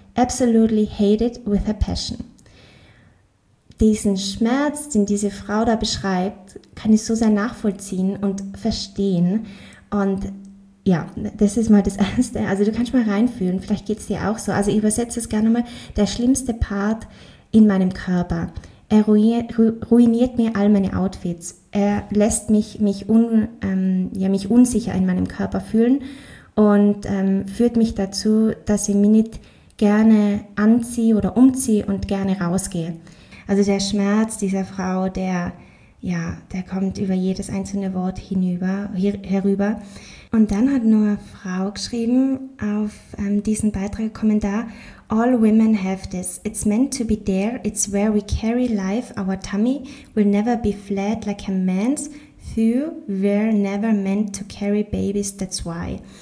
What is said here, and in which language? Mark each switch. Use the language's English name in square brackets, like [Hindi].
[English] Absolutely hate it with a passion." [German] Diesen Schmerz, den diese Frau da beschreibt, kann ich so sehr nachvollziehen und verstehen. Und ja, das ist mal das Erste. Also du kannst mal reinfühlen, vielleicht geht es dir auch so. Also ich übersetze es gerne mal: der schlimmste Part in meinem Körper. Er ruiniert mir all meine Outfits. Er lässt mich unsicher in meinem Körper fühlen und führt mich dazu, dass ich mich nicht gerne anziehe oder umziehe und gerne rausgehe. Also der Schmerz dieser Frau, der kommt über jedes einzelne Wort herüber. Und dann hat nur eine Frau geschrieben auf diesen Beitrag, Kommentar: [English] "All women have this. It's meant to be there. It's where we carry life. Our tummy will never be flat like a man's. Though we're never meant to carry babies, that's why."